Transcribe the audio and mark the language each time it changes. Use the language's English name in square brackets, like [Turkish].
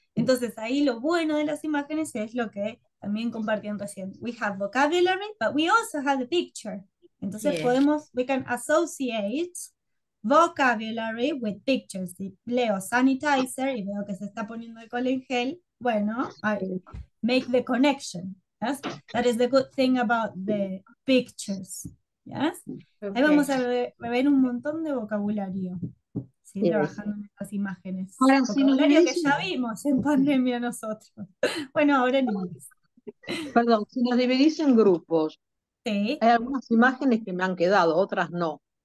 [Spanish] Entonces ahí lo bueno de las imágenes es lo que también compartían recién. [English] We have vocabulary, but we also have the picture. [Spanish] Entonces podemos, [English] we can associate vocabulary with pictures. [Spanish] Si leo sanitizer y veo que se está poniendo alcohol en gel, bueno, [English] I make the connection. Yes? That is the good thing about the pictures. Yes? [Spanish] Ahí vamos a ver un montón de vocabulario, ¿sí? Trabajando en estas imágenes. Ahora sí, no me Vocabulario que ya dice. vimos en pandemia nosotros. Bueno, ahora en inglés. Sí. Perdón, si nos dividís en grupos. Sí. Hay algunas imágenes que me han quedado, otras no.